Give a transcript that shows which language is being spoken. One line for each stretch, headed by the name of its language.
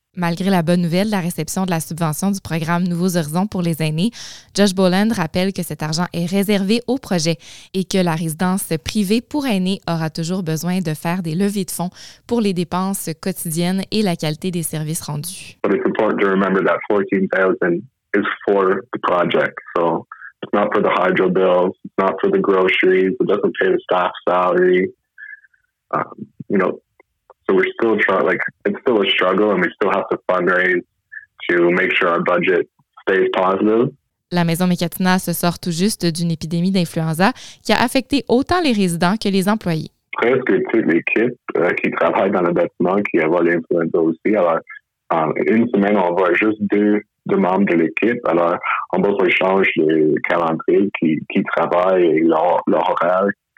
French: Malgré la bonne nouvelle de la réception de la subvention du programme Nouveaux Horizons pour les aînés, Josh Boland rappelle que cet argent est réservé au projet et que la résidence privée pour aînés aura toujours besoin de faire des levées de fonds pour les dépenses quotidiennes et la qualité des services rendus.
English: But it's important to remember that $14,000 is for the project. So it's not for the hydro bills, it's not for the groceries, it doesn't pay the staff salary. So we're still trying, like, it's still a struggle and we still have to fundraise to make sure our budget stays positive.
French: La Maison Mécatina se sort tout juste d'une épidémie d'influenza qui a affecté autant les résidents que les employés. Presque toute l'équipe qui travaille dans le bâtiment qui a l'influenza aussi. Alors, une semaine, on voit juste deux membres de l'équipe. Alors, on va changer les calendriers qui travaillent et leur horaire.